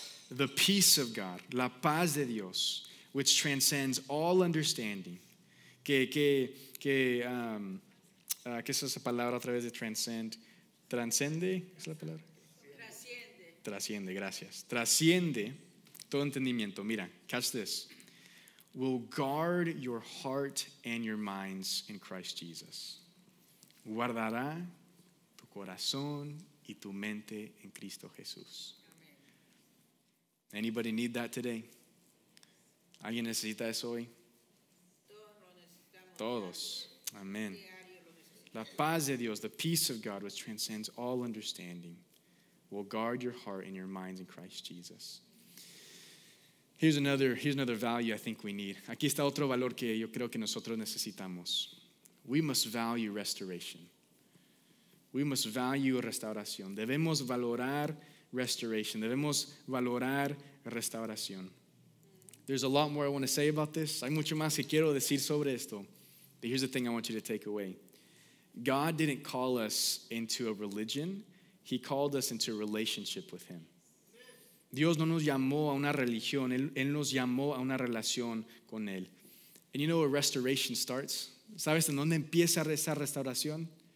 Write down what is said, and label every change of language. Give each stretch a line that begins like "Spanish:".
English: The peace of God,
Spanish: la paz de Dios,
English: which transcends all understanding.
Spanish: ¿Qué es esa palabra a través de transcend? ¿Transcende? ¿Es la palabra? Trasciende. Trasciende, gracias. Trasciende todo entendimiento. Mira,
English: catch this. Will guard your heart and your minds in Christ Jesus.
Spanish: Guardará tu corazón y tu mente en Cristo Jesús. Amen.
English: Anybody need that today?
Spanish: ¿Alguien necesita eso hoy? Todos. Amén. La paz de Dios,
English: the peace of God, which transcends all understanding, will guard your heart and your minds in Christ Jesus. Here's another value I think we need.
Spanish: Aquí está otro valor que yo creo que nosotros necesitamos.
English: We must value restoration. We must value restauración.
Spanish: Debemos valorar restoration. Debemos valorar restauración.
English: There's a lot more I want to say about this.
Spanish: Hay mucho más que quiero decir sobre esto.
English: But here's the thing I want you to take away. God didn't call us into a religion. He called us into a relationship with him.
Spanish: Dios no nos llamó a una religión, Él nos llamó a una relación con Él.
English: And you know where restoration starts?
Spanish: ¿Sabes en dónde empieza esa restauración?